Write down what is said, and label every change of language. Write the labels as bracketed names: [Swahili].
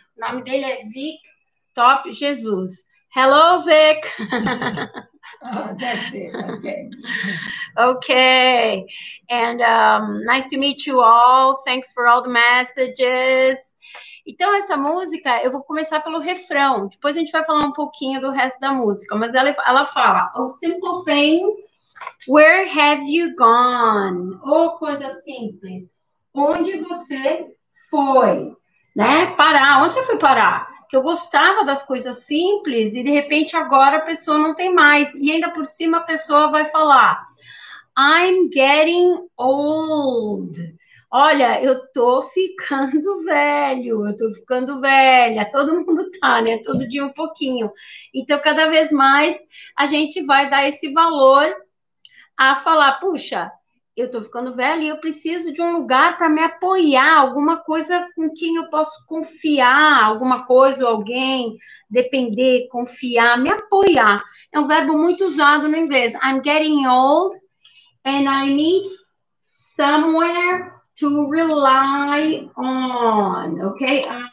[Portuguese] O nome dele é Vic Top Jesus. [English] Hello, [Portuguese] Vic. [English] Oh, that's it, okay. Okay, and nice to meet you all. Thanks for all the messages. [Portuguese] Então, essa música, eu vou começar pelo refrão. Depois a gente vai falar um pouquinho do resto da música. Mas ela fala, [English] oh, simple thing, where have you gone? [Portuguese] Oh, coisa simples, onde você foi? Né? Parar, onde você foi parar? Que eu gostava das coisas simples e, de repente, agora a pessoa não tem mais. E ainda por cima a pessoa vai falar, [English] I'm getting old. [Portuguese] Olha, eu tô ficando velho, eu tô ficando velha, todo mundo tá, né? Todo dia um pouquinho. Então, cada vez mais, a gente vai dar esse valor a falar, puxa, eu tô ficando velha e eu preciso de um lugar para me apoiar, alguma coisa com quem eu posso confiar, alguma coisa ou alguém, depender, confiar, me apoiar. É um verbo muito usado no inglês. [English] I'm getting old and I need somewhere to rely on, [Portuguese] okay?